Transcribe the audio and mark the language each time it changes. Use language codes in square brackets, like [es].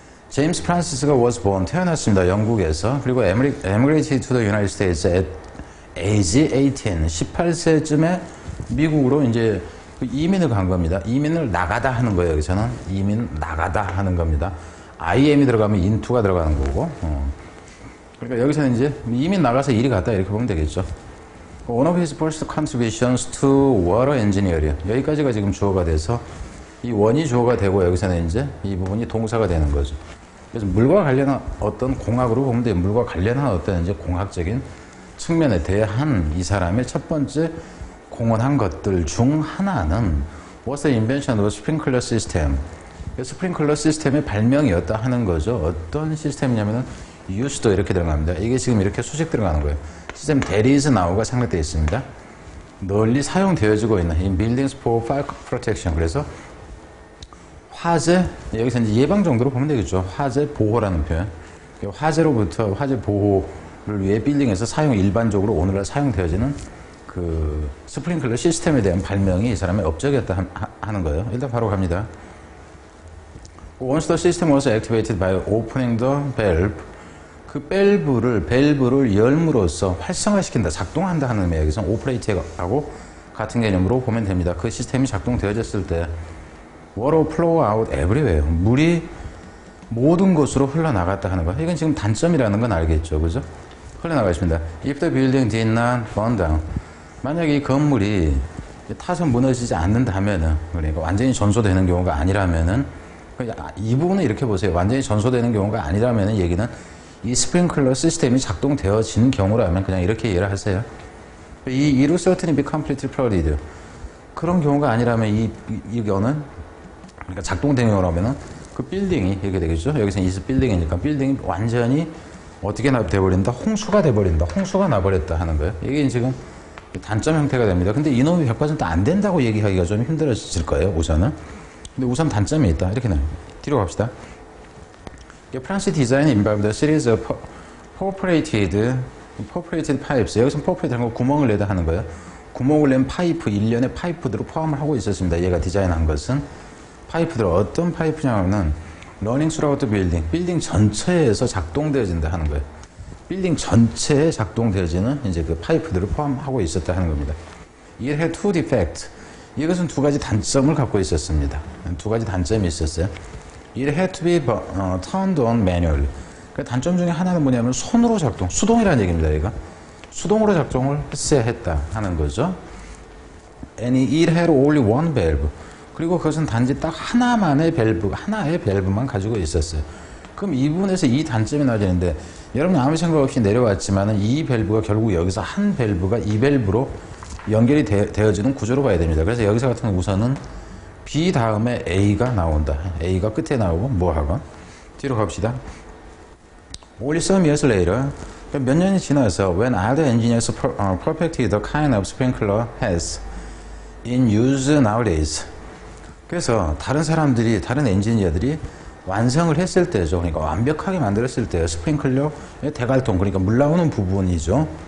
[ko] 제임스 프란시스가 [en] was born [ko] 태어났습니다. 영국에서 그리고 [en] emigrated to the United States at age 18 [ko] 18세쯤에 미국으로 이제 그 이민을 간 겁니다. 이민을 나가다 하는 거예요. 여기서는 이민 나가다 하는 겁니다. IM이 들어가면 into가 들어가는 거고 그러니까 여기서는 이제 이미 나가서 일이 갔다 이렇게 보면 되겠죠. [en] One of his first contributions to water engineering. [ko] 여기까지가 지금 주어가 돼서 이 원이 주어가 되고 여기서는 이제 이 부분이 동사가 되는 거죠. 그래서 물과 관련한 어떤 공학으로 보면 돼요. 물과 관련한 어떤 이제 공학적인 측면에 대한 이 사람의 첫 번째 공헌한 것들 중 하나는 [en] was the invention of sprinkler system. [ko] 스프링클러 시스템의 발명이었다 하는 거죠. 어떤 시스템이냐면은 used 이렇게 들어갑니다. 이게 지금 이렇게 수식 들어가는 거예요. 시스템 there is now가 생략되어 있습니다. 널리 사용되어지고 있는 [en] in buildings for fire protection. [ko] 그래서 화재, 여기서 이제 예방 정도로 보면 되겠죠. 화재 보호라는 표현. 화재로부터 화재 보호를 위해 빌딩에서 사용 일반적으로 오늘날 사용되어지는 그 스프링클러 시스템에 대한 발명이 이 사람의 업적이었다 하는 거예요. 일단 바로 갑니다. [en] Once the system was activated by opening the valve, [ko] 그 밸브를 열므로써 활성화시킨다, 작동한다 하는 의미예요. 여기서 operate하고 같은 개념으로 보면 됩니다. 그 시스템이 작동되어졌을 때, [en] water flow out everywhere. [ko] 물이 모든 곳으로 흘러나갔다 하는 거. 이건 지금 단점이라는 건 알겠죠. 그죠? 흘러나가 있습니다. [en] If the building did not burn down. [ko] 만약에 이 건물이 타서 무너지지 않는다면은, 그러니까 완전히 전소되는 경우가 아니라면은, 이 부분은 이렇게 보세요. 완전히 전소되는 경우가 아니라면 얘기는 이 스프링클러 시스템이 작동되어진 경우라면 그냥 이렇게 이해를 하세요. [en] It will certainly be completely flooded. [ko] 그런 경우가 아니라면 이 경우는 그러니까 작동된 경우라면 그 빌딩이 이렇게 되겠죠. 여기서는 is building이니까 빌딩이 완전히 어떻게 돼버린다? 홍수가 돼버린다. 홍수가 나버렸다 하는 거예요. 이게 지금 단점 형태가 됩니다. 근데 이놈이 100% 안 된다고 얘기하기가 좀 힘들어질 거예요. 우선은. 근데 우선 단점이 있다. 이렇게 나요. 뒤로 갑시다. [en] 프랑스 디자인 involved a series of perforated pipes. [ko] 여기서 perforated 한 거 구멍을 내다 하는 거예요. 구멍을 낸 파이프, 일련의 파이프들로 포함을 하고 있었습니다. 얘가 디자인한 것은. 파이프들, 어떤 파이프냐면은 [en] running throughout the building. [ko] 빌딩 전체에서 작동되어진다 하는 거예요. 빌딩 전체에 작동되어지는 이제 그 파이프들을 포함하고 있었다 하는 겁니다. [en] It had two defects. [ko] 이것은 두 가지 단점을 갖고 있었습니다. 두 가지 단점이 있었어요. [en] It had to be turned on manually. [ko] 단점 중에 하나는 뭐냐면 손으로 작동, 수동이라는 얘기입니다. 얘가 수동으로 작동을 했어야 했다 하는 거죠. [en] And it had only one valve. [ko] 그리고 그것은 단지 딱 하나만의 밸브, 하나의 밸브만 가지고 있었어요. 그럼 이 부분에서 이 단점이 나타나는데 여러분 아무 생각 없이 내려왔지만 이 밸브가 결국 여기서 한 밸브가 이 밸브로 연결이 되어지는 구조로 봐야 됩니다. 그래서 여기서 같은 우선은 B 다음에 A가 나온다. A가 끝에 나오고 뭐하건 뒤로 갑시다. [en] Only some years later, [ko] 몇 년이 지나서 [en] when other engineers perfected the kind of sprinkler has in use nowadays. [ko] 그래서 다른 사람들이, 다른 엔지니어들이 완성을 했을 때죠. 그러니까 완벽하게 만들었을 때 스프링클러의 대갈통, 그러니까 물 나오는 부분이죠.